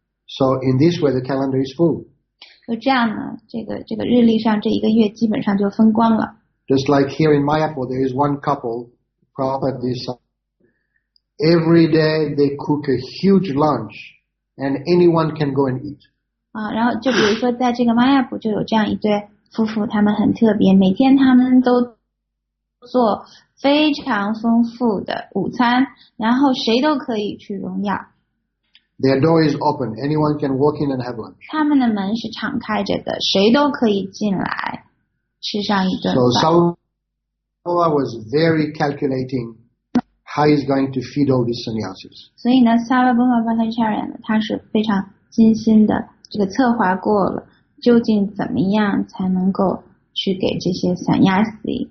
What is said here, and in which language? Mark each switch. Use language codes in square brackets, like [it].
[en] So in this way the calendar is full. [zh] 就这样呢，这个日历上这一个月基本上就分光了。 [en] Just like here in Mayapur, there is one couple, Prabhupada decided, every day they cook a huge lunch, and anyone can go and eat. [zh] 然后就比如说在这个 Mayapur 就有这样一对夫妇，他们很特别，每天他们都做非常丰富的午餐，然后谁都可以去荣耀。 [en] Their door is open. Anyone can walk in and have lunch. [zh] 他们的门是敞开着的，谁都可以进来吃上一顿 [en] So Sarvabhauma was very calculating how he's going to feed all these sannyasis. [zh] 所以呢 ，Sarvabhauma Bhattacharya 呢，他是非常精心的这个策划过了，究竟怎么样才能够去给这些 sannyasi。